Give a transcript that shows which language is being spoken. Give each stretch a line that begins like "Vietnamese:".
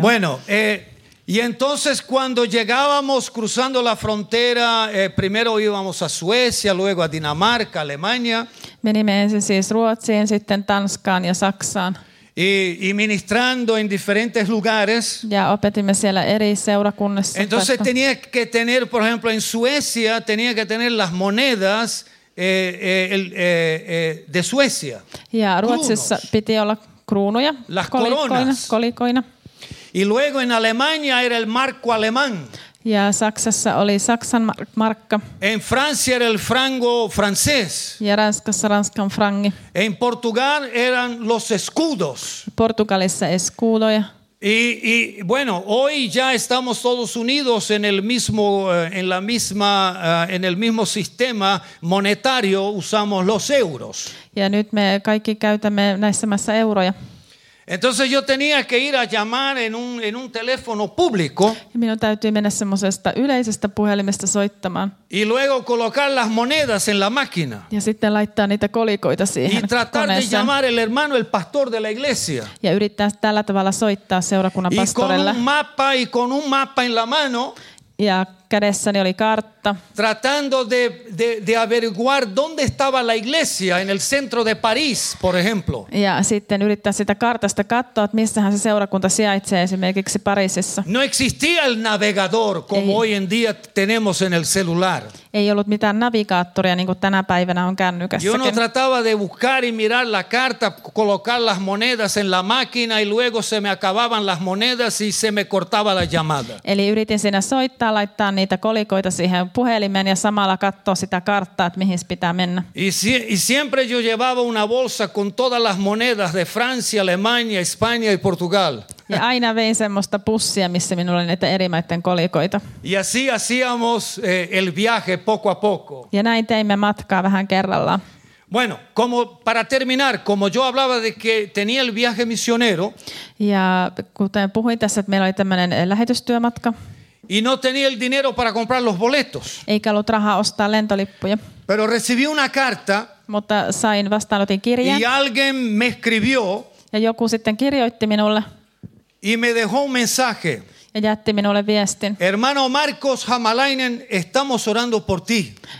Spanish: Bueno, y entonces cuando llegábamos cruzando la frontera, primero íbamos a Suecia, luego a Dinamarca, Alemania.
Finnish: Menimme ensin siis Ruotsiin, sitten Tanskaan ja Saksaan.
Spanish: Y ministrando en diferentes lugares.
Finnish: Ja opetimme siellä eri seurakunnissa.
Spanish: Entonces tenía que tener, por ejemplo, en Suecia, tenía que tener las monedas de Suecia.
Finnish: Ja Ruotsissa piti olla kruunuja,
Spanish: las coronas.
Finnish: Kolikoina.
Spanish: Y luego en Alemania era el marco alemán.
Finnish: Ja Saksassa oli Saksan markka.
Spanish: En Francia era el franco francés.
Finnish: Ja Ranskassa Ranskan frangi.
Spanish: En Portugal eran los escudos.
Finnish: Portugalissa escudoja.
Spanish: Y bueno, hoy ya estamos todos unidos en el mismo sistema monetario, usamos los euros.
Finnish: Ja nyt me kaikki käytämme näissä maissa euroja.
Spanish: Entonces yo tenía que ir a llamar en un teléfono público.
Finnish: Minun täytyy mennä semmoisesta yleisestä puhelimesta soittamaan.
Spanish: Y luego colocar las monedas en la máquina.
Finnish: Ja sitten laittaa niitä kolikoita siihen.
Spanish: Y tratar de llamar el hermano, el pastor de la iglesia.
Finnish: Ja yrittää tällä tavalla soittaa seurakunnan pastorelle.
Spanish: Y con un mapa en la mano.
Finnish: Ja kädessäni oli kartta.
Spanish: Tratando de averiguar dónde estaba la iglesia en el centro de París, por ejemplo.
Finnish: Ja sitten yrittää sitä kartasta katsoa, että missähän se seurakunta sijaitsee esimerkiksi Pariisissa.
Spanish: No existía el navegador como hoy en día tenemos en el celular.
Finnish: Ei ollut mitään navigaattoria, niin kuin tänä päivänä on kännykässäkin.
Spanish: Yo no trataba de buscar y mirar la carta, colocar las monedas en la máquina y luego se me acababan las monedas y se me cortaba la llamada.
Finnish: Eli yritin siinä soittaa, laittaa niitä kolikoita siihen puhelimeen ja samalla katsoa sitä karttaa, että mihin pitää mennä.
Spanish: Y siempre yo llevaba una bolsa con todas las monedas de Francia, Alemania, España y Portugal.
Finnish: Ja aina vein semmoista pussia, missä minulla oli näitä eri maiden kolikoita.
Spanish: Y así hacíamos el viaje poco a poco.
Finnish: Ja näin teimme matkaa vähän kerrallaan.
Spanish: Bueno, como para terminar, como yo hablaba de que tenía el viaje misionero.
Finnish: Ja kuten puhuin tässä, että meillä oli tämmöinen lähetystyömatka.
Spanish: Y no tenía el dinero para comprar los boletos.
Finnish: Eikä ollut rahaa ostaa lentolippuja.
Spanish: Pero recibí una carta.
Finnish: Mutta sain vastaanotin kirjan.
Spanish: Y alguien me escribió.
Finnish: Ja joku sitten kirjoitti minulle.
Spanish: Y me dejó un mensaje.
Finnish: Ja jätti minulle viestin.
Spanish: Hermano Marcos Hämäläinen, estamos orando por ti.